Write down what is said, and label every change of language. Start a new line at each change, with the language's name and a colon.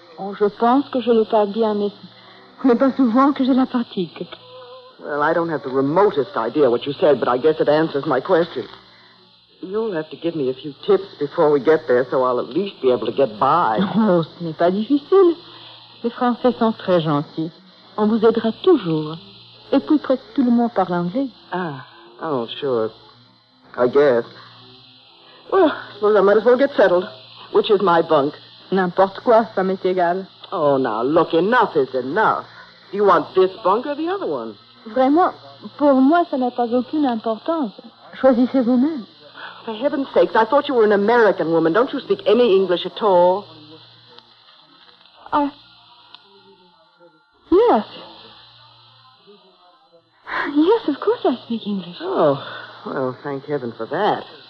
French: Oh, je pense que je le parle bien, mais ce n'est pas souvent que je la pratique.
English: Well, I don't have the remotest idea what you said, but I guess it answers my question. You'll have to give me a few tips before we get there, so I'll at least be able to get by.
French: Oh, ce n'est pas difficile. Les Français sont très gentils. On vous aidera toujours. Et puis, presque tout le monde parle anglais.
English: Ah, oh, sure. I guess. Well, I suppose I might as well get settled. Which is my bunk?
French: N'importe quoi, ça m'est égal.
English: Oh, now, look, enough is enough. Do you want this bunk or the other one?
French: Vraiment, pour moi, ça n'a pas aucune importance. Choisissez vous-même.
English: For heaven's sakes, I thought you were an American woman. Don't you speak any English at all? Yes. Yes, of course I speak English. Oh, well, thank heaven for that.